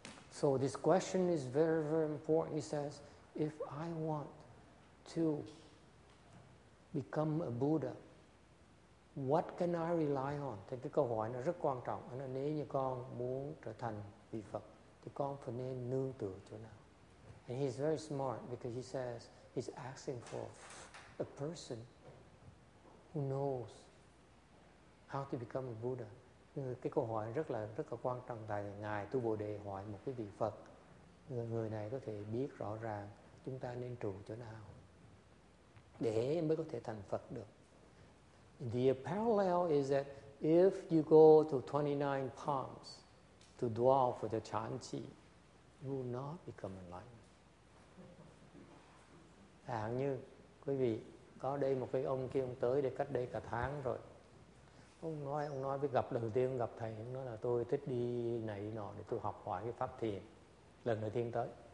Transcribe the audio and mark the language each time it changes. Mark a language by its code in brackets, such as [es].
[en] So this question is very, very important. He says, if I want to become a Buddha, what can I rely on? [vi] Thì cái câu hỏi nó rất quan trọng. Nó nếu như con muốn trở thành vị Phật, thì con phải nên nương tựa chỗ nào? [en] And he's very smart because he says he's asking for a person who knows how to become a Buddha. [vi] Cái câu hỏi rất là quan trọng, tại ngài Tu Bồ Đề hỏi một cái vị Phật, người này có thể biết rõ ràng chúng ta nên trụ chỗ nào để mới có thể thành Phật được. [en] The parallel is that if you go to 29 palms to dwell for the Chan Chi, you will not become enlightened. [vi] Hạn như quý vị có đây một cái ông kia, ông tới đây cách đây cả tháng rồi. Ông nói với gặp lần đầu tiên, ông gặp thầy, ông nói là tôi thích đi này nọ để tôi học hỏi cái pháp thiền. Lần đầu tiên tới.